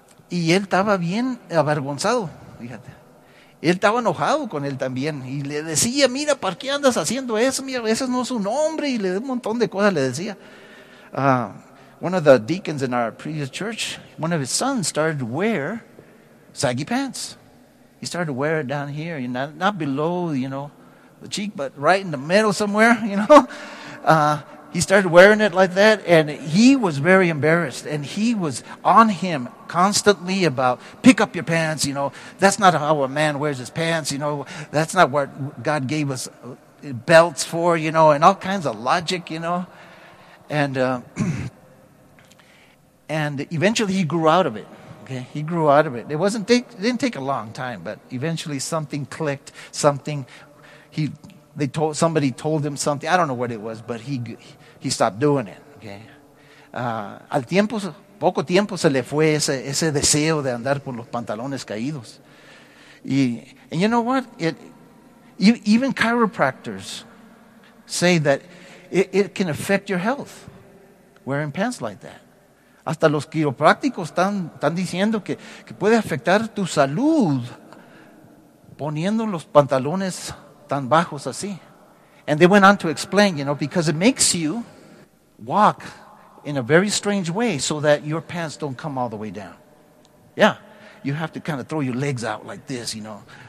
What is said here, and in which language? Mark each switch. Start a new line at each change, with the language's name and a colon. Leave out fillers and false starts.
Spanish: Y él estaba bien avergonzado, fíjate. Él estaba enojado con él también y le decía, mira, ¿para qué andas haciendo eso? Mira, ese no es su nombre, y le dio un montón de cosas, le decía.
English: One of the deacons in our previous church, one of his sons started to wear saggy pants. He started to wear it down here, you know, not below, you know, the cheek, but right in the middle somewhere, you know. He started wearing it like that, and he was very embarrassed, and he was on him constantly about, pick up your pants, you know, that's not how a man wears his pants, you know, that's not what God gave us belts for, you know, and all kinds of logic, you know. And eventually he grew out of it, okay, he grew out of it. It didn't take a long time, but eventually something clicked, somebody told him something, I don't know what it was, but he stopped doing it, okay.
Spanish: Al tiempo, poco tiempo se le fue ese deseo de andar con los pantalones caídos.
English: And you know what? Even chiropractors say that it can affect your health, wearing pants like that.
Spanish: Hasta los quiroprácticos están diciendo que puede afectar tu salud poniendo los pantalones tan bajos así.
English: And they went on to explain, you know, because it makes you walk in a very strange way so that your pants don't come all the way down. Yeah, you have to kind of throw your legs out like this, you know.